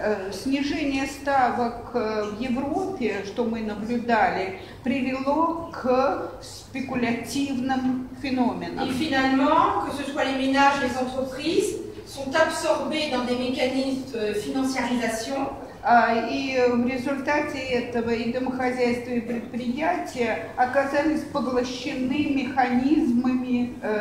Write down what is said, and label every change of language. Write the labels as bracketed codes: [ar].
[ru] Снижение ставок в Европе, что мы наблюдали, привело к спекулятивным феноменам. И, [fr] finalement, que ce soit les ménages, les entreprises, sont absorbés dans des mécanismes de financiarisation. [ru] И в результате этого и домохозяйства, и предприятия оказались поглощены механизмами